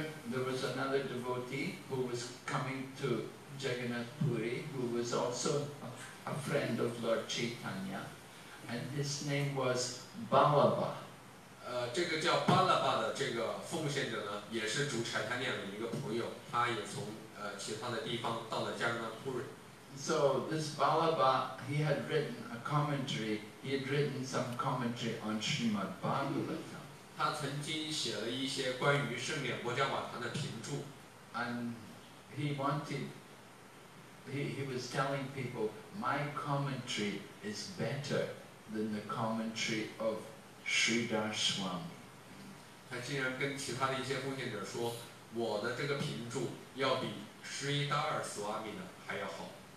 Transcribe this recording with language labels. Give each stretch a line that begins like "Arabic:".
English: There was another devotee who was coming to Jagannath Puri, who was also a friend of Lord Chaitanya. And his name was Balaba.
Chinese: 这个叫Balaba的这个奉献者呢， 也是主柴坦尼亚的一个朋友，他也从其他的地方到了加拉纳普瑞。
English: So this Balaba, he had written a commentary, he had written some commentary on Srimad Bhagavatam.
Chinese: 他曾经写了一些关于圣莲波迦瓦坛的评注。
English: And he wanted he was telling people, my commentary is better than the commentary of Sridhar Swami.
Chinese: 他竟然跟其他的一些奉献者说, 我的这个评注要比 Sridhar Swami 还要好。